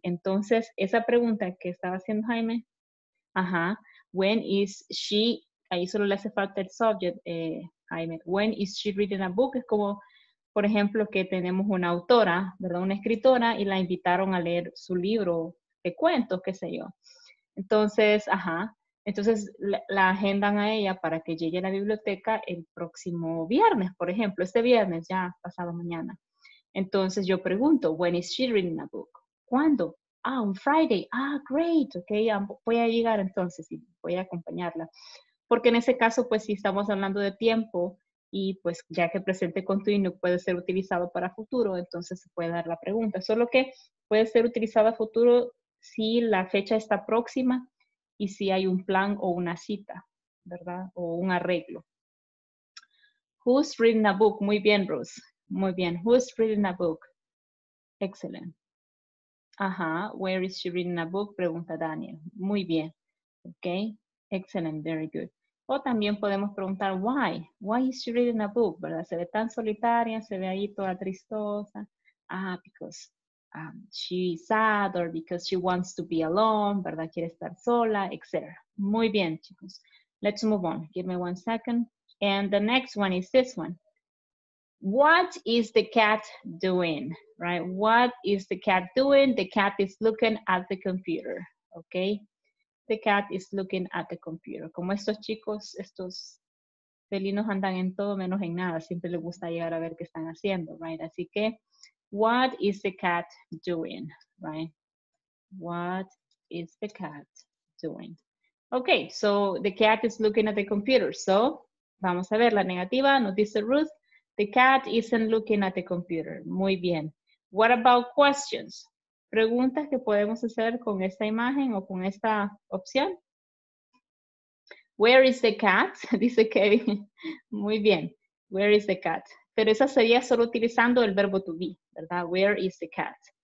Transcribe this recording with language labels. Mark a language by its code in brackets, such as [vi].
[es] Entonces, esa pregunta que estaba haciendo Jaime, when is she, ahí solo le hace falta el subject, Jaime, [en] when is she reading a book? [es] Es como, por ejemplo, que tenemos una autora, ¿verdad? Una escritora y la invitaron a leer su libro de cuentos, qué sé yo. Entonces, entonces la agendan a ella para que llegue a la biblioteca el próximo viernes, por ejemplo, este viernes, ya pasado mañana. Entonces yo pregunto, [en] when is she reading a book? [es] ¿Cuándo? [en] On Friday. Great. [es] Ok, voy a llegar entonces y voy a acompañarla. Porque en ese caso, pues si estamos hablando de tiempo, y pues ya que presente continuo puede ser utilizado para futuro, entonces se puede dar la pregunta. Solo que puede ser utilizado a futuro si la fecha está próxima y si hay un plan o una cita, ¿verdad? O un arreglo. [en] Who's reading a book? [es] Muy bien, Bruce. Muy bien. [en] Who's reading a book? Excellent. Ajá. Where is she reading a book? [es] Pregunta Daniel. Muy bien. [en] Okay. Excellent. Very good. [es] O también podemos preguntar [en] why. Why is she reading a book? [es] ¿Verdad? Se ve tan solitaria, se ve ahí toda tristosa. [en] Ah, because she's sad or because she wants to be alone, [es] ¿verdad? Quiere estar sola, etc. Muy bien, chicos. [en] Let's move on. Give me one second. And the next one is this one. What is the cat doing? Right? What is the cat doing? The cat is looking at the computer. Okay? The cat is looking at the computer. [es] Como estos chicos, estos felinos andan en todo menos en nada. Siempre les gusta llegar a ver qué están haciendo. [en] Right? [es] Así que, [en] what is the cat doing? Right? What is the cat doing? Okay, so the cat is looking at the computer. So, [es] vamos a ver la negativa. Nos dice [en] Ruth, the cat isn't looking at the computer. [es] Muy bien. [en] What about questions? [es] ¿Preguntas que podemos hacer con esta imagen o con esta opción? [en] Where is the cat? [es] Dice Kevin. Muy bien. [en] Where is the cat? [es] Pero esa sería solo utilizando el verbo to be, ¿verdad? [en] Where is the cat?